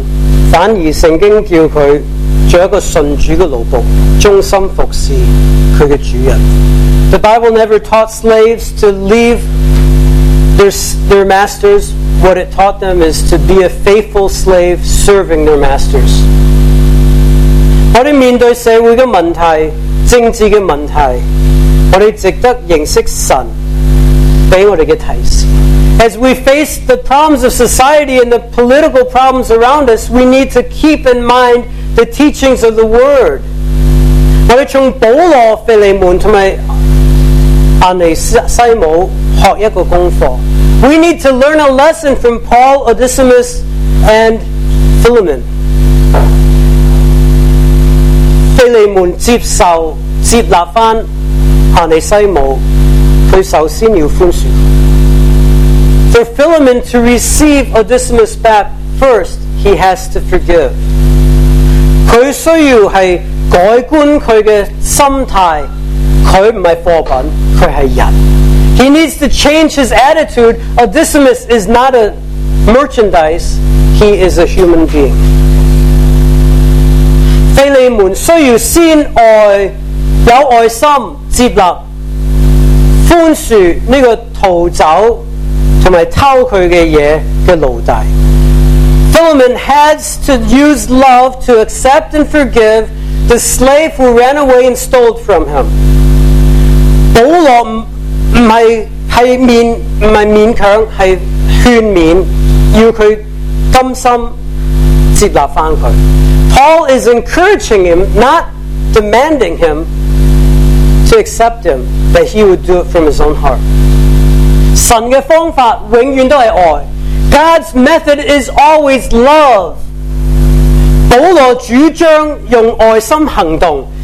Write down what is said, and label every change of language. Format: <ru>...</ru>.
<zh>圣经没有说叫奴仆的，即是要他脱离奴仆的身份，反而圣经叫他</zh> <en>The Bible never taught slaves to leave their masters. What it taught them is to be a faithful slave serving their masters.</en> <zh>我们面对社会的问题，政治的问题，我们值得认识神给我们的提示。</zh> <en>As we face the problems of society and the political problems around us, we need to keep in mind the teachings of the Word.</en> <zh>我们从保罗、腓利门和安尼西姆学一个功课。</zh> <en>We need to learn a lesson from Paul, Onesimus, and Philemon.</en> <zh>腓利门接纳安尼西姆。首先要宽恕。</zh> <en>For Philemon to receive Onesimus back, first he has to forgive.</en> <zh>他需要是改观他的心态，他不是货品，他是人。</zh> <en>He needs to change his attitude. Onesimus is not a merchandise, he is a human being.</en> <zh>腓利门需要先爱，有爱心接纳宽恕这个逃走和偷他的东西的奴隶。</zh> <en>Philemon has to use love to accept and forgive the slave who ran away and stole from him.</en> <zh>保罗不是勉强，是劝勉，要他甘心接纳翻他。</zh> <en>Paul is encouraging him, not demanding him to accept him, that he would do it from his own heart.</en> <zh>神的方法永远都是爱。</zh> <en>God's method is always love.</en> <zh>保罗主张用爱心行动，</zh>